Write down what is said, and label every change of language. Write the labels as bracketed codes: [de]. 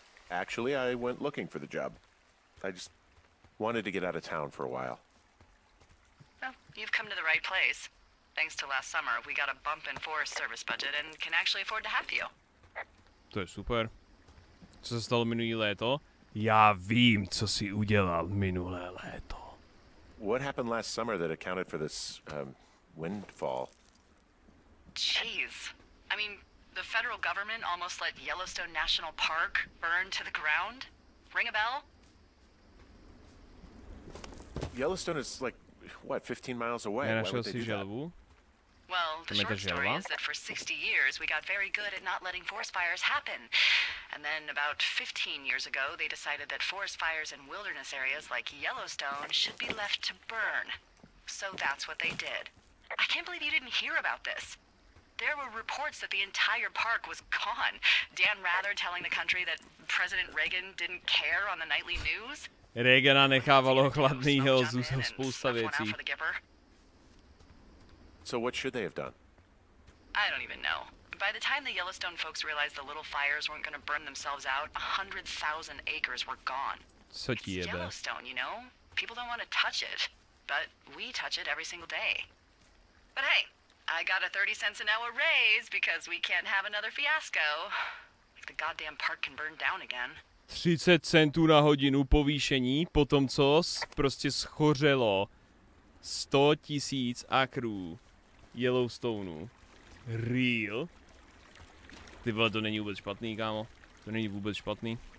[en] Actually, I went looking for the job. I just wanted to get out of town for a while. Well, you've come to the right place. Thanks to last summer, we got a bump in Forest Service budget and can actually afford to have you. [cs] To je super. Co se stalo minulé léto? Já vím, co si udělal minulé léto. [en] What happened last summer that accounted for this windfall? Jeez. I mean, the federal government almost let Yellowstone National Park burn to the ground? Ring a bell? Yellowstone is like what, 15 miles away? [cs] Já našel si želvu. [en] Well, the short story is that for 60 years, we got very good at not letting forest fires happen. And then about 15 years ago, they decided that forest fires in wilderness areas like Yellowstone should be left to burn. So that's what they did. I can't believe you didn't hear about this. There were reports that the entire park was gone. Dan Rather telling the country that President Reagan didn't care on the nightly news. [cs] Reagana nechávalo chladnýho, zůstal spousta věcí. [en] So what should they have done? I don't even know. By the time the Yellowstone folks realized the little fires weren't going to burn themselves out, 100,000 acres were gone. [cs] Co ti jebe? [en] It's Yellowstone, you know? People don't want to touch it. But we touch it every single day. But hey, I got a 30 cents an hour raise because we can't have another fiasco. Like the goddamn park can burn down again. [cs] 30 centů na hodinu povýšení, potom co? Prostě schořelo. 100 tisíc akrů Yellowstoneu. [en] Real? [cs] Ty vole, to není vůbec špatný, kámo. To není vůbec špatný.